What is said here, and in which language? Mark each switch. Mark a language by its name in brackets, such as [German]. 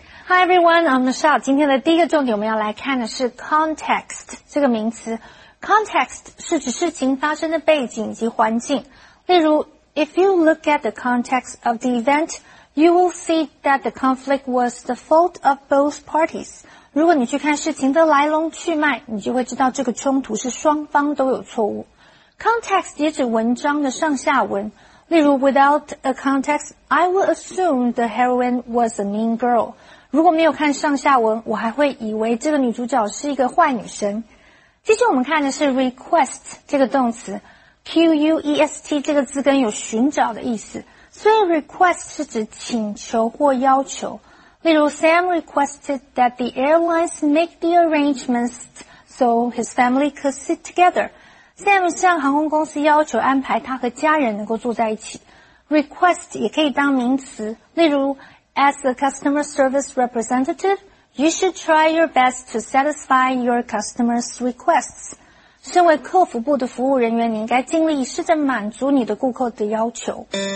[English] Hi everyone, I'm Michelle. [Chinese] 今天的第一个重点我们要来看的是 context 这个名词。 Context 是指事情发生的背景及环境。例如 [English] ,if you look at the context of the event, you will see that the conflict was the fault of both parties. [Chinese] 如果你去看事情的来龙去脉,你就会知道这个冲突是双方都有错误。 Context 也指文章的上下文。例如 [English] ,without a context, I would assume the heroine was a mean girl. [Chinese] 如果没有看上下文，我还会以为这个女主角是一个坏女生。接着我们看的是 request 这个动词 ,Q-U-E-S-T 这个字根有寻找的意思。所以 request 是指请求或要求。例如 [English] ,Sam requested that the airlines make the arrangements so his family could sit together. [Chinese] Sam 向航空公司要求安排他和家人能够坐在一起。 [English] request [Chinese] 也可以当名词，例如 [English] As a customer service representative, you should try your best to satisfy your customers' requests. [Chinese] 身为客服部的服务人员，你应该尽力试着满足你的顾客的要求。